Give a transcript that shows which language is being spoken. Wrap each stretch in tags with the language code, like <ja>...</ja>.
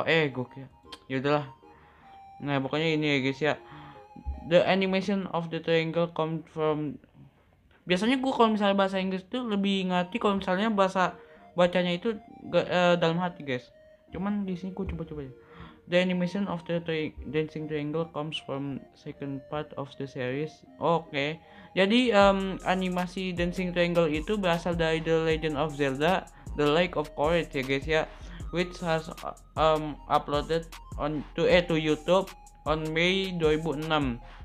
<id>Gue kira. Yaudahlah. Nah, pokoknya ini ya guys ya.</id> <en>The animation of the triangle come from.</en> <id>Biasanya gue kalau misalnya bahasa Inggris tuh lebih ngerti kalau misalnya bahasa bacanya itu dalam hati guys. Cuman di sini gue coba-coba ya.</id> <en>The animation of the dancing triangle comes from second part of the series. Oke.</en> <id>Jadi animasi Dancing Triangle itu berasal dari The Legend of Zelda, The Lake of Courage ya guys ya,</id> <en>which has uploaded on to YouTube on May 2006.</en>